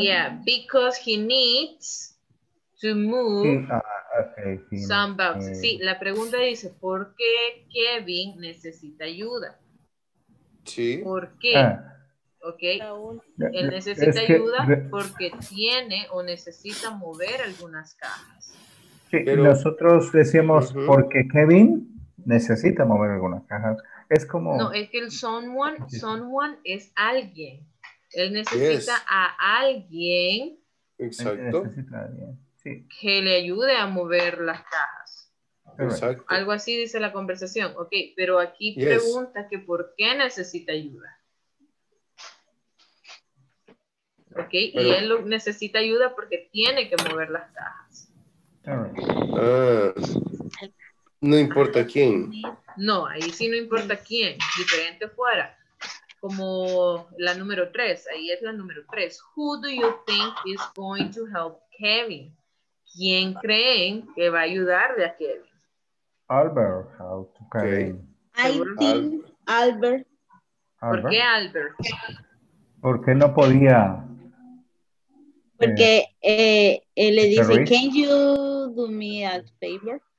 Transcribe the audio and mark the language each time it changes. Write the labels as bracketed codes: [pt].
[en] Yeah, because he needs to move some boxes. [es] Sí, la pregunta dice, ¿por qué Kevin necesita ayuda? Sí. ¿Por qué? Ah. Ok. Él necesita ayuda porque tiene o necesita mover algunas cajas. Sí, pero nosotros decimos porque Kevin necesita mover algunas cajas. Es como... No, es que el someone es alguien. Él necesita a alguien. Exacto. Sí. Que le ayude a mover las cajas. Exacto. Algo así dice la conversación. Ok, pero aquí pregunta que por qué necesita ayuda. Ok, pero, y él necesita ayuda porque tiene que mover las cajas. No importa quién. No, ahí sí no importa quién. Diferente fuera. Como la número 3. Ahí es la número 3. [en] Who do you think is going to help Kevin? [es] ¿Quién creen que va a ayudarle a Kevin? [en] Albert. How to Kevin. I think Albert. [es] ¿Por qué Albert? Porque no podía. Porque él le dice, [en] can you do me a favor?